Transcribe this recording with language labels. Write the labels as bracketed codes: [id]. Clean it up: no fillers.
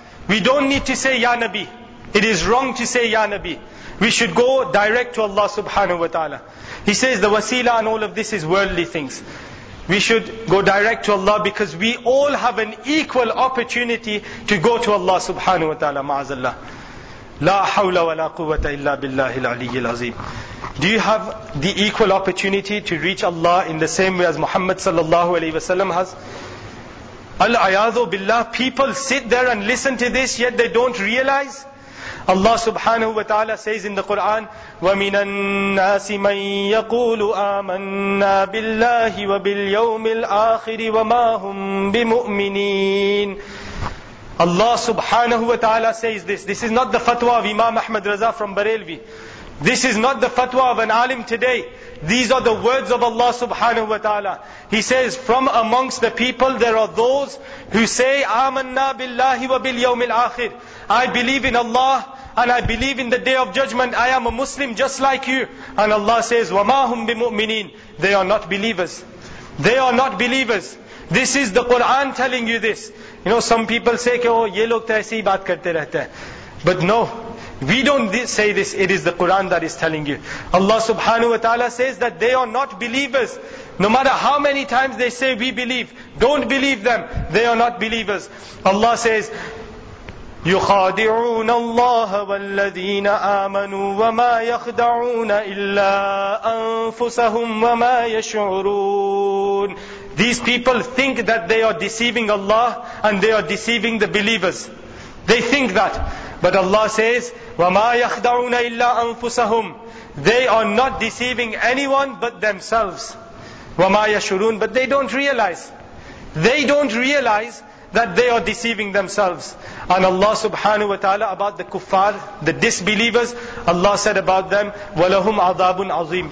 [en] We don't need to say Ya Nabi. It is wrong to say Ya Nabi. We should go direct to Allah subhanahu wa ta'ala. He says the wasila and all of this is worldly things. We should go direct to Allah, because we all have an equal opportunity to go to Allah subhanahu wa ta'ala, ma'azallah. [ar] لا حول ولا قوة إلا بالله العلي العظيم. [en] Do you have the equal opportunity to reach Allah in the same way as Muhammad sallallahu alayhi wasallam has? Al-ayadhu billah, people sit there and listen to this, yet they don't realize. Allah subhanahu wa ta'ala says in the Quran, [ar] وَمِنَ النَّاسِ مَنْ يَقُولُ آمَنَّا بِاللَّهِ وَبِالْيَوْمِ الْآخِرِ وَمَا هُمْ بِمُؤْمِنِينَ. [en] Allah subhanahu wa ta'ala says this. This is not the fatwa of Imam Ahmad Raza from Bareilvi. This is not the fatwa of an alim today. These are the words of Allah subhanahu wa ta'ala. He says, from amongst the people there are those who say, [ar] آمَنَّا بِاللَّهِ وَبِالْيَوْمِ الْآخِرِ. [en] I believe in Allah and I believe in the Day of Judgment. I am a Muslim just like you. And Allah says, [ar] وَمَا هُمْ بِمُؤْمِنِينَ. [en] They are not believers. They are not believers. This is the Quran telling you this. You know, some people say, oh, [hi] ye log ta aise hi baat karte rehte. [en] But no, we don't say this. It is the Quran that is telling you. Allah subhanahu wa ta'ala says that they are not believers. No matter how many times they say, we believe. Don't believe them. They are not believers. Allah says, [ar] يُخَادِعُونَ اللَّهَ وَالَّذِينَ آمَنُوا وَمَا يَخْدَعُونَ إِلَّا أَنفُسَهُمْ وَمَا يَشْعُرُونَ. [en] These people think that they are deceiving Allah and they are deceiving the believers. They think that. But Allah says, [ar] وَمَا يَخْدَعُونَ إِلَّا أَنفُسَهُمْ. [en] They are not deceiving anyone but themselves. [ar] وَمَا يَشْعُرُونَ. [en] But they don't realize. They don't realize that they are deceiving themselves. And Allah subhanahu wa ta'ala about the kuffar, the disbelievers, Allah said about them, [ar] وَلَهُمْ عَذَابٌ عَظِيمٌ.